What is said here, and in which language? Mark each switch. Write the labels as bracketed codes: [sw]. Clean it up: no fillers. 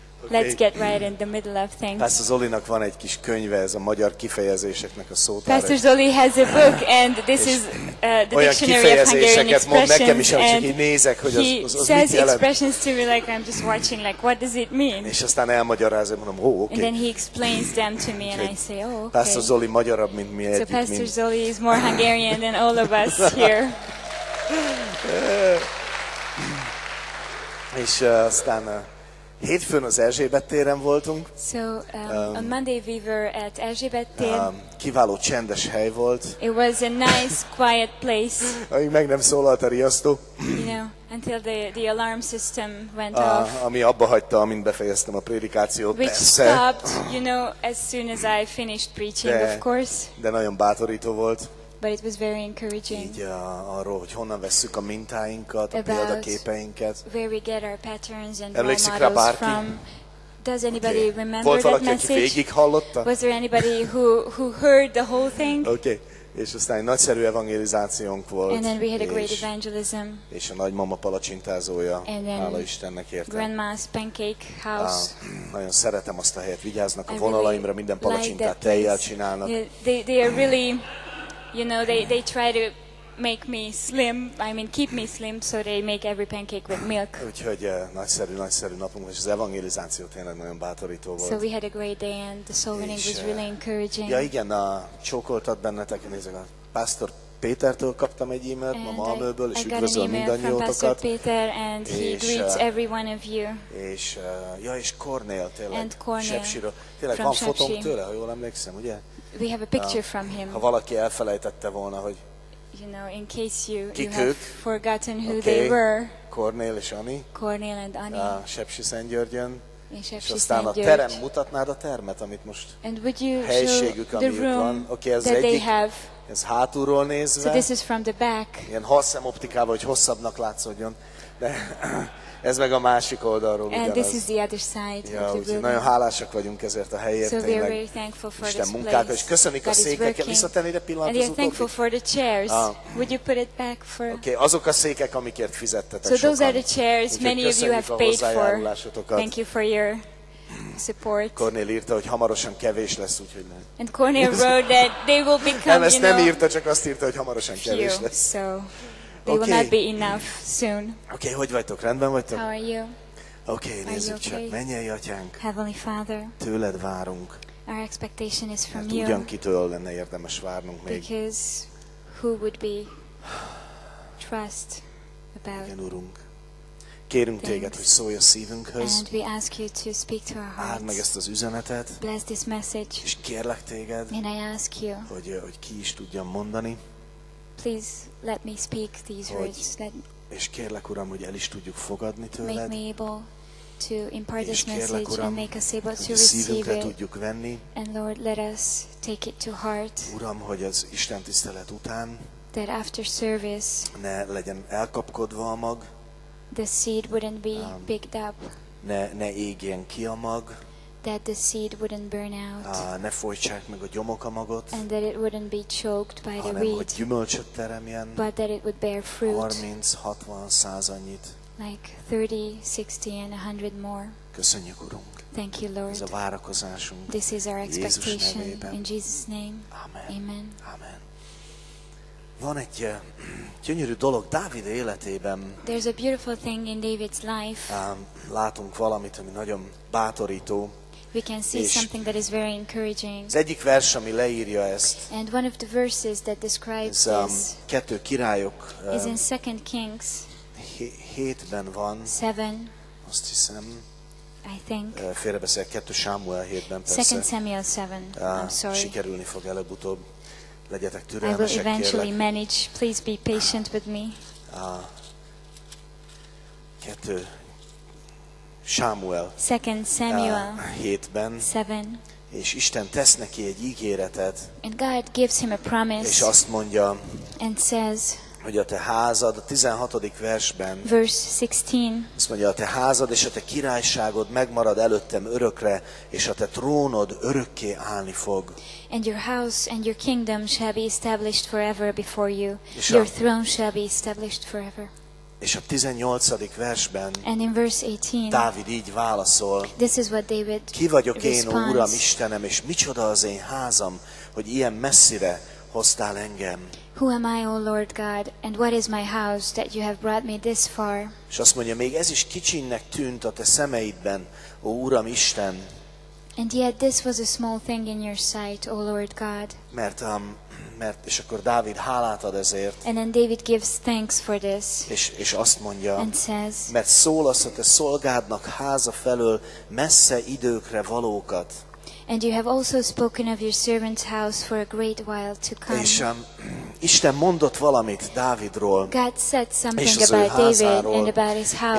[en] Let's get right in the middle of things. [hu] Pastor Zolinak van egy kis könyve, ez a magyar kifejezéseknek a szótára. [en] Pastor Zoli has a book and this is the dictionary of Hungarian expressions. [hu] And nézek, hogy [en] he says expressions to me like I'm just watching, like what does it mean? [hu] És aztán elmagyarázza, mondom, oh, okay. [en] And then he explains them to me and I say, oh, okay. [hu] Pastor Zoli magyarabb, mint mi egyik. [en] So Pastor Zoli is more Hungarian than all of us here. [hu] És aztán hétfőn az Erzsébet téren voltunk. [en] So on Monday we were at Erzsébet tér. [hu] Kiváló csendes hely volt. [en] It was a nice quiet place. [hu] Amíg meg nem szólalt a riasztó. [en] You know, until the alarm system went off. [hu] Ami abba hagyta, amint befejeztem a prédikációt. [en] Which stopped, you know, as soon as I finished preaching, of course. [hu] De nagyon bátorító volt. [en] But it was very encouraging. [hu] Így arról, hogy honnan vesszük a mintáinkat, a példaképeinket. [en] Where we get our patterns and role models from. Does anybody remember that message? Was there anybody who heard the whole thing? Okay. [hu] És aztán egy nagyszerű evangelizációnk volt. [en] And then we had a great evangelism. [hu] És a nagymama palacsintázója, hála Istennek érte. [en] Grandma's pancake house. [hu] Nagyon szeretem azt a helyet. Vigyáznak a vonalaimra, minden palacsintát tejjel csinálnak. [en] They are really, you know, they try to make me slim, I mean keep me slim, so they make every pancake with milk. [hu] Úgyhogy nagyszerű napunk, és az evangelizáció tényleg nagyon bátorító volt. [en] So we had a great day and the soul winning was really encouraging. [hu] Ja igen, csókoltat bennetek, nézzük, a Pásztor Pétertől kaptam egy e-mailt, [en] and [hu] ma Malmöből, és üdvözlöm mindannyiótokat. [en] Peter and he greets every one of you. [hu] És ja, és Cornél tényleg, [en] and Cornél [hu] Sepsiről. Tényleg van fotónk tőle, ha jól emlékszem, ugye? [en] We have a picture from him. [hu] Ha valaki elfelejtette volna, hogy [en] you know, in case you have forgotten who they were. [hu] Cornél és Ani. [en] Cornél and Ani. [hu] Sepsi Szentgyörgyön. És aztán a terem, mutatnád a termet, amit most helységük, amit van. Okay, ez egyik. [en] They have. [hu] Ez hátulról nézve. [en] So this is from the back. [hu] Ilyen halszem optikával, hogy hosszabbnak látszódjon. De ez meg a másik oldalról. [en] And this is the other side. [hu] Ja, úgyhogy nagyon hálásak vagyunk ezért a helyért. [en] So we are very thankful for [hu] Isten munkát, és köszönik a székeket. Visszatenni ide pillanat az utolsó. [en] Would you put it back for? [hu] Okay, azok a székek, amikért fizettetek sokan. [en] So those are the chairs many of you have paid for. Thank you for your support. [hu] Cornél írta, hogy hamarosan kevés lesz, úgyhogy nem. [en] And Cornél wrote that they will become, you know. [hu] Nem írta, csak azt írta, hogy hamarosan kevés lesz. [en] So they will not be enough soon. [hu] Okay, hogy vagytok? Rendben vagytok? [en] How are you? [hu] Okay, nézzük csak. Mennyei atyánk. [en] Heavenly Father. [hu] Tőled várunk. [en] Our expectation is from you. [hu] Ugyan kitől lenne érdemes várnunk még? [en] Because who would be trust about? [hu] Igen, Urunk. Kérünk téged, hogy szólj a szívünkhöz. [en] And we ask you to speak to our hearts. [hu] Áld meg ezt az üzenetet. [en] Bless this message. [hu] És kérlek téged. [en] And I ask you. [hu] Hogy ki is tudjam mondani. [en] Please let me speak these words. [hu] És kérlek, Uram, hogy el is tudjuk fogadni tőled. [en] Make me able to impart this message, [hu] Uram, [en] and make us able to receive it. [hu] Tudjuk venni. [en] And Lord, let us take it to heart. [hu] Uram, hogy az Isten tisztelet után [en] that after service, [hu] ne legyen elkapkodva a mag. [en] The seed wouldn't be picked up. [hu] Ne égjen ki a mag. [en] That the seed wouldn't burn out. [hu] Ne folytsák meg a gyomok a magot. [en] And that it wouldn't be choked by the weed. [hu] Hanem, hogy gyümölcsöt teremjen. [en] But that it would bear fruit. [hu] 30, 60, 100 annyit. [en] Like 30, 60 and 100 more. [hu] Köszönjük, Urunk. [en] Thank you, Lord. [hu] Ez a várakozásunk. [en] This is our expectation. [hu] Jézus nevében. [en] In Jesus' name. [hu] Amen. [en] Amen. Amen. [hu] Van egy gyönyörű dolog Dávid életében. [en] There's a beautiful thing in David's life. [hu] Látunk valamit, ami nagyon bátorító. [en] We can see something that is very encouraging. [hu] Az egyik vers, ami leírja ezt. [en] And one of the verses that describes [hu] this. Kettő királyok. [en] Is in 2 Kings. [hu] 7-ben van. [en] 7. [hu] Azt hiszem. [en] I think. [hu] Félrebeszélek, 2 Samuel 7-ben persze. [en] 2 Samuel 7. I'm sorry. [hu] Sikerülni fog előbb-utóbb. Legyetek türelmesek, kérlek. [en] I will eventually manage. Please be patient with me. [hu] 2 Sámuel 7-ben, és Isten tesz neki egy ígéretet, [en] and God gives him a promise, [hu] és azt mondja, [en] and says, [hu] hogy a te házad, a 16. versben, [en] verse 16, [hu] azt mondja, a te házad és a te királyságod megmarad előttem örökre, és a te trónod örökké állni fog. [en] And your house and your kingdom shall be established forever before you. Your throne shall be established forever. [hu] És a 18. versben [en] and in verse 18, [hu] Dávid így válaszol, [en] this is what David [hu] ki vagyok én, Uram, Istenem, és micsoda az én házam, hogy ilyen messzire hoztál engem. [en] Who am I, O Lord God, and what is my house that you have brought me this far? [hu] És azt mondja, még ez is kicsinnek tűnt a te szemeidben, ó Uram Isten. [en] And yet this was a small thing in your sight, O Lord God. [hu] Mert és akkor Dávid hálát ad ezért. [en] And then David gives thanks for this. [hu] És azt mondja, [en] and says, [hu] mert szólasz a te szolgádnak háza felől messze időkre valókat. [en] And you have also spoken of your servant's house for a great while to come. [hu] És Isten mondott valamit Dávidról. [en] God said something about David and about his house.